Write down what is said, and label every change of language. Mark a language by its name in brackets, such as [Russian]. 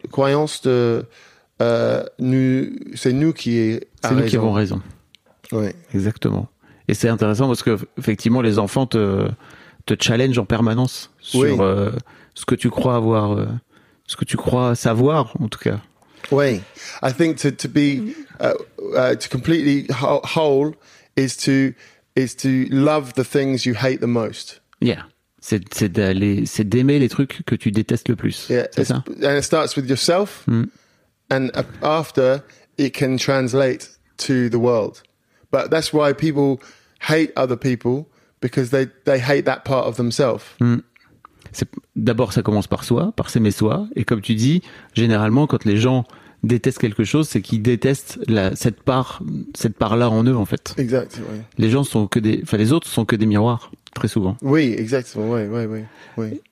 [French] Croyances de nous, c'est nous qui avons raison. Oui. Exactement. Et c'est intéressant parce que effectivement, les enfants te challenge en permanence sur ce que tu crois avoir, ce que tu crois savoir, en tout cas. [English] Oui, I think to be to completely whole is to love the things you hate the most. Yeah. [French] C'est d'aimer les trucs que tu détestes le plus. [English] Yeah, [French] c'est ça. [English] And it starts with yourself, and after it can translate to the world. But that's why people hate other people, because they hate that part of themselves. [French] D'abord, ça commence par soi, par s'aimer soi. Et comme tu dis, généralement, quand les gens détestent quelque chose, c'est qu'ils détestent cette part-là en eux, en fait. Exactement. Les gens sont que des, enfin, les autres sont que des miroirs. Très souvent. Oui, exactement. Oui.